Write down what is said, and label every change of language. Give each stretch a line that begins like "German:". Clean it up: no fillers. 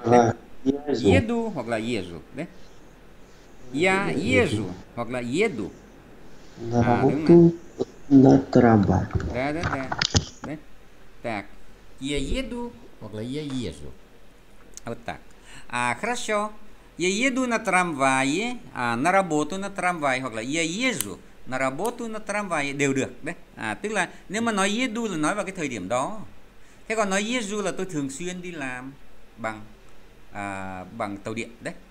Russian: А, езжу. Еду.
Vietnamese: Hoặc là езжу.
Russian: Đấy. Я езжу.
Vietnamese: Hoặc là
Russian: еду. На работу на трамвае. Да, да, да. Đấy. Так. Я еду. Hoặc là я езжу. Вот так. А, хорошо. Я еду на трамвае, а, на работу на трамвае,
Vietnamese: hoặc là
Russian: я езжу на работу на трамвае,
Vietnamese: đều được, đấy. À, tức là nếu mà nói еду là nói vào cái thời điểm đó. Thế còn nói езжу là tôi thường xuyên đi làm bằng bằng tàu điện, đấy.